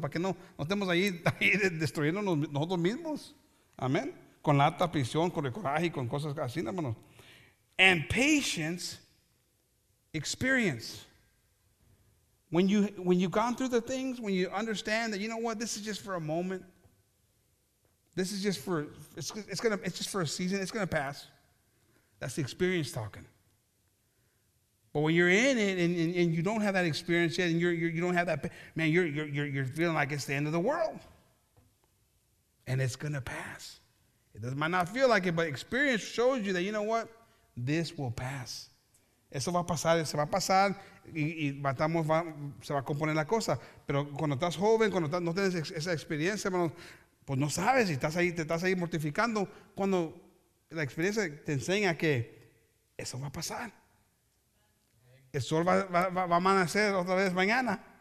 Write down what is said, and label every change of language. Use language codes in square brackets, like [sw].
[es] Para que no estemos ahí destruyendo nosotros mismos. Amén. Con la alta prisión, con el coraje, con cosas así, hermanos. [en] And patience, experience. When you've gone through the things, when you understand that, you know what, this is just for a moment. This is just for it's just for a season. It's gonna pass. That's the experience talking. But when you're in it and you don't have that experience yet, and you don't have that, man, you're feeling like it's the end of the world. And it's gonna pass. It might not feel like it, but experience shows you that you know what, this will pass. [es] Eso va a pasar. Se va a pasar. Y se va a componer la cosa. Pero cuando estás joven, cuando no tienes esa experiencia, hermanos. Pues no sabes, si estás ahí, te estás ahí mortificando cuando la experiencia te enseña que eso va a pasar. El sol va a amanecer otra vez mañana.